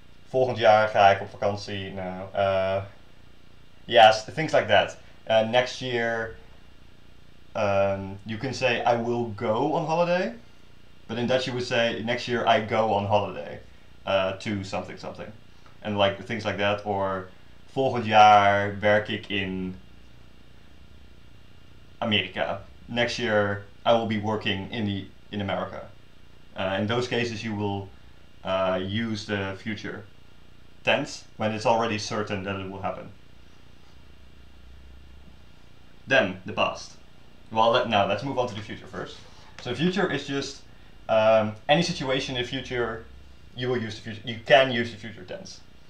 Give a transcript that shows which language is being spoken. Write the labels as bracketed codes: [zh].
[nl] Volgend jaar ga ik op vakantie, nou. [en] Yes, things like that. Next year, you can say, I will go on holiday. But in Dutch, you would say, next year, I go on holiday to something, something. And like things like that. [nl] Or, volgend jaar werk ik in Amerika. [en] Next year, I will be working in America. In those cases, you will use the future tense when it's already certain that it will happen. Then, the past. Well, let's move on to the future first. So future is just any situation in the future, you will use the future, you can use the future tense.